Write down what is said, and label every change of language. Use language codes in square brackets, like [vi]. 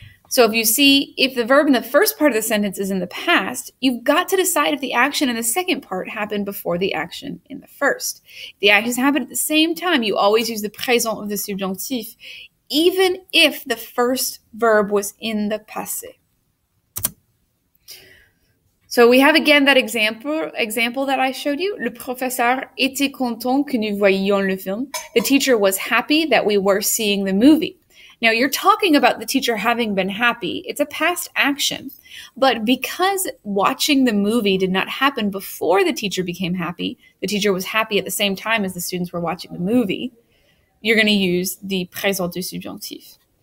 [en] So if you see, if the verb in the first part of the sentence is in the past, you've got to decide if the action in the second part happened before the action in the first. If the actions happen at the same time, you always use the présent of the subjonctif, even if the first verb was in the passé. So we have again that example that I showed you. [fr] Le professeur était content que nous voyions le film. [en] The teacher was happy that we were seeing the movie. Now you're talking about the teacher having been happy. It's a past action. But because watching the movie did not happen before the teacher became happy, the teacher was happy at the same time as the students were watching the movie, you're going to use the présent du subjonctif.